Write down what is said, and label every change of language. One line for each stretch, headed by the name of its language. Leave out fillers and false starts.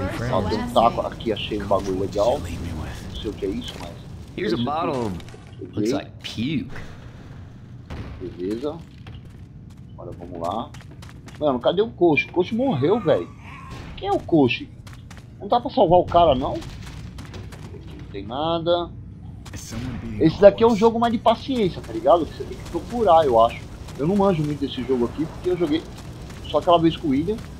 Portuguese: Ó, deu um taco aqui, achei um bagulho legal. Não sei o que é isso, mas...
English: Here's a bottle looks like puke.
Portuguese: Beleza. Agora vamos lá. Mano, cadê o coxo? O coxo morreu, velho. Quem é o coxo? Não dá pra salvar o cara, não? Aqui não tem nada. Esse daqui é um jogo mais de paciência, tá ligado? Que você tem que procurar, eu acho. Eu não manjo muito desse jogo aqui, porque eu joguei só aquela vez com o William.